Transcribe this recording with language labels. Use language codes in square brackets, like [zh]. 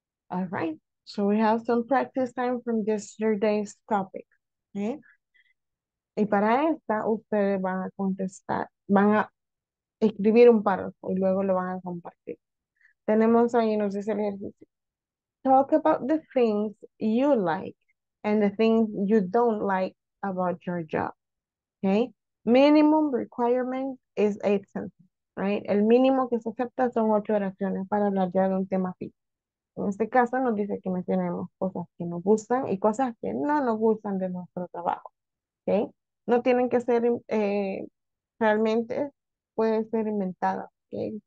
[en] All right. So we have some practice time from yesterday's topic. [es] Okay. Y para esta, ustedes van a contestar, van a escribir un párrafo y luego lo van a compartir. Tenemos ahí, nos dice el ejercicio. [en] Talk about the things you like and the things you don't like about your job. Okay. Minimum requirement is 8 sentences. Right. [es] El mínimo que se acepta son 8 oraciones para hablar ya de un tema fijo. En este caso nos dice que mencionemos cosas que nos gustan y cosas que no nos gustan de nuestro trabajo, ¿okay? No tienen que ser realmente, pueden ser inventadas, que ¿okay?